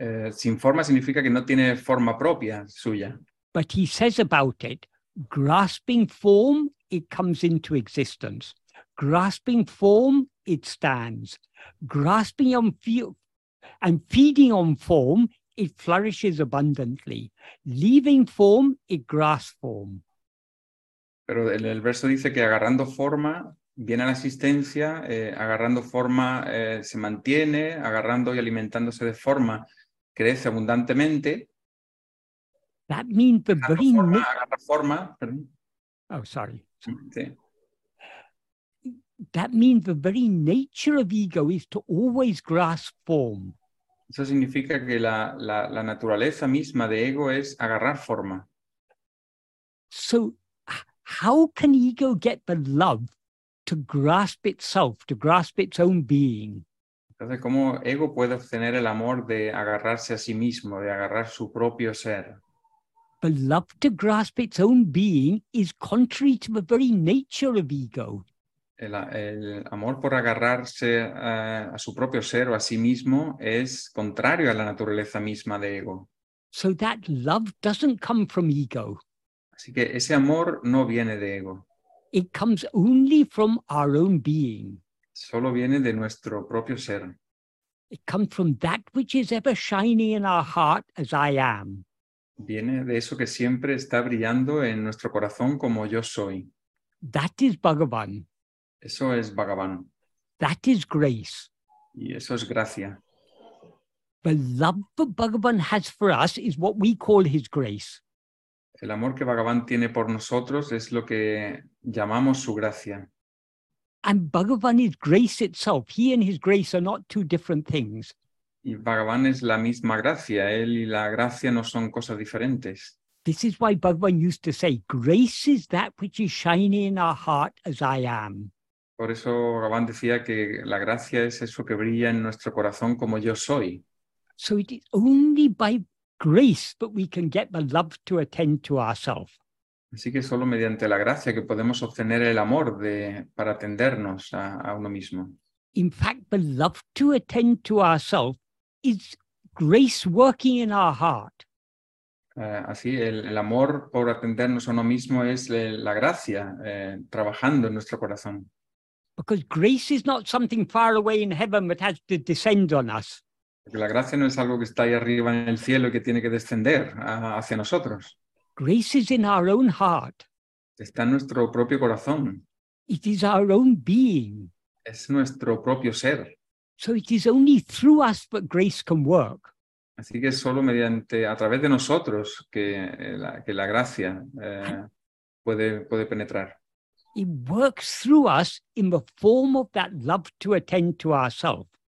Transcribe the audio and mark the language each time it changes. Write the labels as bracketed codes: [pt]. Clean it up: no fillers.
[es] Sin forma significa que no tiene forma propia suya. [en] But he says about it, grasping form, it comes into existence. Grasping form, it stands. Grasping on and feeding on form, it flourishes abundantly. Leaving form, it grasps form. [es] Pero el verso dice que agarrando forma viene a la existencia, agarrando forma se mantiene, agarrando y alimentándose de forma crece abundantemente. [en] That means the [es] agarrando [en] very [es] forma, forma, [en] oh, sorry. That means the very nature of ego is to always grasp form. [es] Eso significa que la naturaleza misma de ego es agarrar forma. [en] So, how can ego get the love to grasp itself, to grasp its own being? [es] Entonces, ¿cómo ego puede obtener el amor de agarrarse a sí mismo, de agarrar su propio ser? [en] The love to grasp its own being is contrary to the very nature of ego. [es] El amor por agarrarse a su propio ser o a sí mismo es contrario a la naturaleza misma de ego. [en] So that love doesn't come from ego. [es] Así que ese amor no viene de ego. [en] It comes only from our own being. [es] Solo viene de nuestro propio ser. [en] It comes from that which is ever shining in our heart as I am. [es] Viene de eso que siempre está brillando en nuestro corazón como yo soy. [en] That is Bhagavan. [es] Eso es Bhagavan. [en] That is grace. [es] Y eso es gracia. [en] The love that Bhagavan has for us is what we call his grace. [es] El amor que Bhagavan tiene por nosotros es lo que llamamos su gracia. [en] And Bhagavan is grace itself. He and his grace are not two different things. [es] Y Bhagavan es la misma gracia. Él y la gracia no son cosas diferentes. [en] This is why Bhagavan used to say, grace is that which is shining in our heart as I am. [es] Por eso Bhagavan decía que la gracia es eso que brilla en nuestro corazón como yo soy. [en] So it is only by grace that we can get the love to attend to ourselves. [es] Así que solo mediante la gracia que podemos obtener el amor para atendernos a uno mismo. [en] In fact, the love to attend to ourselves is grace working in our heart. [es] Así, el amor por atendernos a uno mismo es la gracia trabajando en nuestro corazón. [en] Because grace is not something far away in heaven that has to descend on us. [es] Porque la gracia no es algo que está ahí arriba en el cielo y que tiene que descender hacia nosotros. [en] Grace is in our own heart. [es] Está en nuestro propio corazón. [en] It is our own being. [es] Es nuestro propio ser. [en] So it is only through us that grace can work. [es] Así que es solo a través de nosotros que la gracia puede penetrar. [en] It works through us in the form of that love to attend to ourselves.